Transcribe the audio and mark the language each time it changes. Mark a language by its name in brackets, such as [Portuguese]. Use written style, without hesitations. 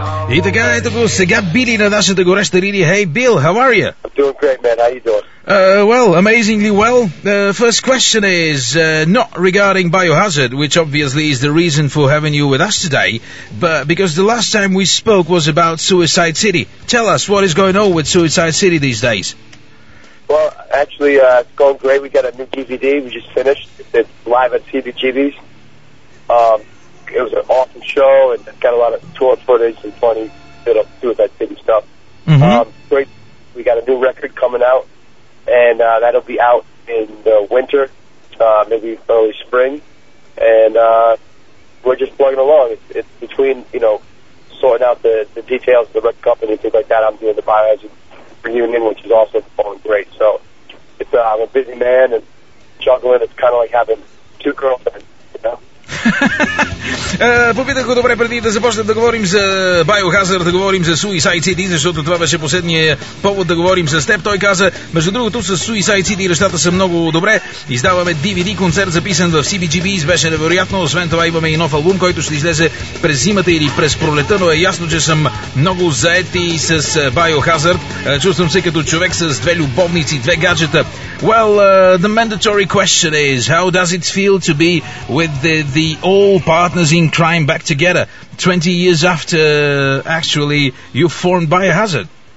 [Bulgarian] И така, ето го, сега Били на нашата гореща линия. [English] Hey Bill, how are you? I'm doing great, man. How you doing? Well, amazingly well. First question is not regarding Biohazard, which obviously is the reason for having you with us today, but because the last time we spoke was about Suicide City. Tell us, what is going on with Suicide City these days? Well, actually, it's going great. We got a new DVD we just finished. It's live at CBGB's. It was an awesome show, and got a lot of tour footage and funny Suicide City stuff. Mm-hmm. Great. We got a new record coming out. And that'll be out in the winter, maybe early spring. And we're just plugging along. It's between, you know, sorting out the details of the record company and things like that. I'm doing the Biohazard reunion, which is also going great. So it's, I'm a busy man and juggling. It's kind of like having two girlfriends, you know? [Bulgarian] Попитах го добре преди да започнем да говорим за Biohazard, да говорим за Suicide City, защото това беше последния повод да говорим с теб. Той каза, между другото, с Suicide City нещата са много добре. Издаваме DVD концерт, записан в CBGB, беше невероятно. Освен това имаме и нов албум, който ще излезе през зимата или през пролета, но е ясно, че съм много заети с Biohazard. Чувствам се като човек с две любовници, две гаджета. [English] Well, the mandatory question is, how does it feel to be with the all partners in crime back together 20 years after actually you formed Biohazard?